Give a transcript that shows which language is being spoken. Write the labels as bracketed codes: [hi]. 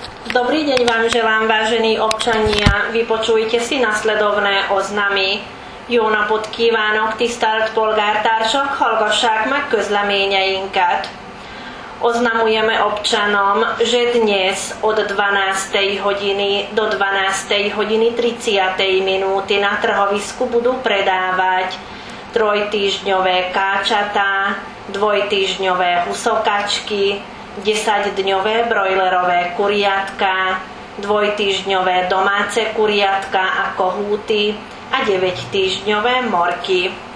[sk] Dobrý deň vám želám, vážení občania. Vypočujte si nasledovné oznamy. [hu] Jó napot kívánok, tisztelt polgártársak, hallgassák meg közleményeinket. [sk] Oznamujeme občanom, že dnes od 12. hodiny do 12. hodiny 30. minúty na trhovisku budú predávať trojtýždňové káčatá, dvojtýždňové husokačky, 10-dňové brojlerové kuriatka, dvojtýždňové domáce kuriatka a kohúty a 9-týždňové morky.